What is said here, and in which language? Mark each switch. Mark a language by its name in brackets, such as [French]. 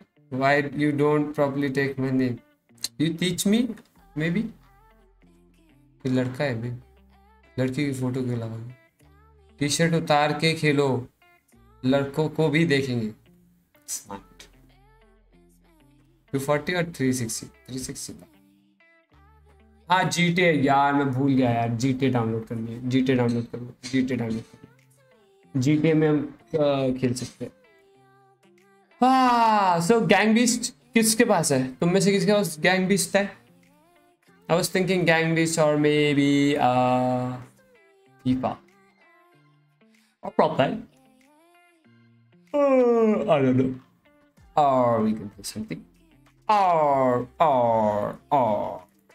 [English] Why you don't properly take my name? You teach me, maybe? [Hindi] लड़का है भी, लड़की की फोटो क्यों लगा? टी शर्ट उतार के खेलो, लड़कों को भी देखेंगे। स्मार्ट 240 और 360 360। हाँ GTA यार, मैं भूल गया यार, GTA डाउनलोड करनी है, GTA डाउनलोड करो, GTA डाउनलोड करो, GTA में हम खेल सकते हैं। हाँ सो गैंग बीस्ट किसके पास है, तुम में से किसके पास गैंग बीस्ट है? [English] I was thinking Gang Beasts or maybe FIFA. Or Pro Play. I don't know. Or we can play something. Or.